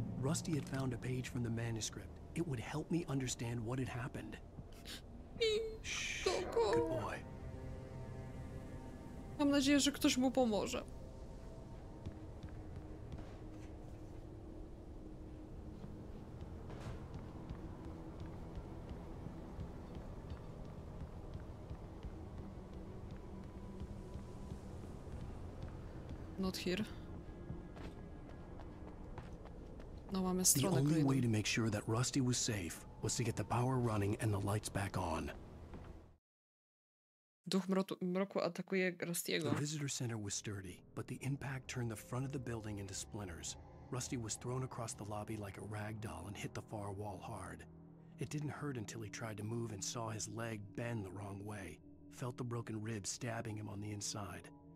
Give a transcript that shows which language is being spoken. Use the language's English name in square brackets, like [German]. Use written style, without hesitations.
[English] Rusty had found a page from the manuscript. It would help me understand what had happened. Shh, good boy. [Polish] Mam nadzieję, że ktoś mu pomoże. [English] Not here. [Polish] No, mamy stronę. [English] The only way to make sure that Rusty was safe was to get the power running and the lights back on. [Polish] Duch mroku atakuje Rustiego. [English] The visitor center was sturdy, but the impact turned the front of the building into splinters. Rusty was thrown across the lobby like a rag doll and hit the far wall hard. It didn't hurt until he tried to move and saw his leg bend the wrong way. Felt the broken rib stabbing him on the inside.